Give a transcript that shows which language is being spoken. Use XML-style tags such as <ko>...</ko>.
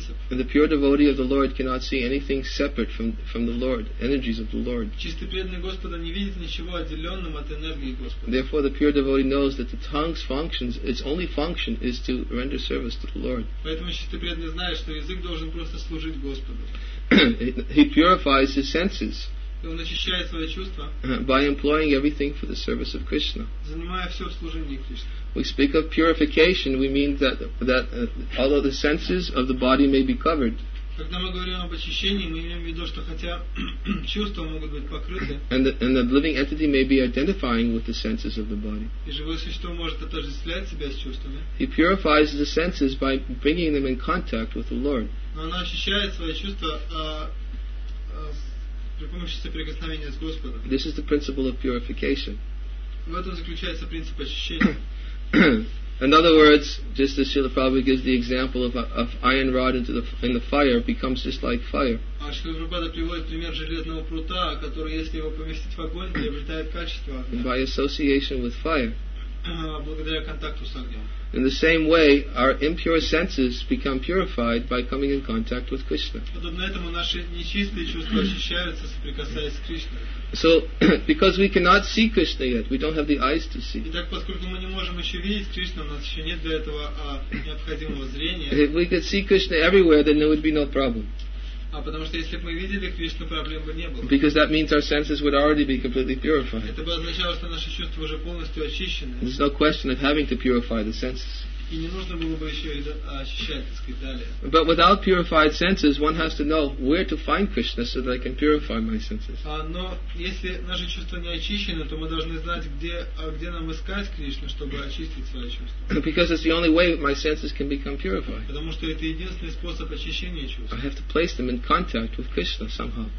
<en>And the pure devotee of the Lord cannot see anything separate from the Lord, energies of the Lord.</en> <ru>Чистый преданный Господа не видит ничего отделенным от энергии Господа.</ru> <en>Therefore, the pure devotee knows that the tongue's functions, its only function, is to render service to the Lord.</en> <ru>Поэтому чистый преданный знает, что язык должен просто служить Господу.</ru> <en>He purifies his senses.</en> <ru>И он очищает свои чувства.</ru> <en>By employing everything for the service of Krishna.</en> <ru>Занимая все в служении Кришне.</ru> <en>We speak of purification, we mean that although the senses of the body may be covered.</en> <ru>Когда мы говорим об очищении, мы имеем в виду, что хотя чувства могут быть покрыты,</ru> <en>and the living entity may be identifying with the senses of the body.</en> <ru>И живое существо может отождествлять себя с чувствами.</ru> <en>He purifies the senses by bringing them in contact with the Lord.</en> <ru>Но оно очищает свои чувства при помощи соприкосновения с Господом.</ru> <en>This is the principle of purification.</en> <ru>В этом заключается принцип очищения.</ru> <en>In other words, just as Srila Prabhupada gives the example of iron rod in the fire, becomes just like fire.</en> <ru>Srila Prabhupada приводит пример железного прута, который, если его поместить в огонь, приобретает качество.</ru> <en>By association with fire.</en> <ru>Благодаря контакту с огнем.</ru> <en>In the same way, our impure senses become purified by coming in contact with Krishna.</en> <ru>Подобно этому наши нечистые чувства очищаются, соприкасаясь с Кришной.</ru> <en>So, because we cannot see Krishna yet, we don't have the eyes to see.</en> <ru>Итак, поскольку мы не можем еще видеть Кришну, у нас еще нет для этого необходимого зрения.</ru> <en>If we could see Krishna everywhere, then there would be no problem.</en> <ru>А потому что если бы мы видели Кришну, проблем бы не было.</ru> <en>Because that means our senses would already be completely purified.</en> <ru>Это бы означало, что наши чувства уже полностью очищены.</ru> <en>There's no question of having to purify the senses.</en> <ru>И не нужно было бы еще очищать, так сказать, далее.</ru> <en>But without purified senses, one has to know where to find Krishna so that I can purify my senses.</en> <ru>Но если наши чувства не очищены, то мы должны знать, где нам искать Кришну, чтобы очистить свои чувства.</ru> <en>Because it's the only way my senses can become purified.</en> <ru>Потому что это единственный способ очищения чувств.</ru> <en>I have to place them in contact with Krishna somehow.</en>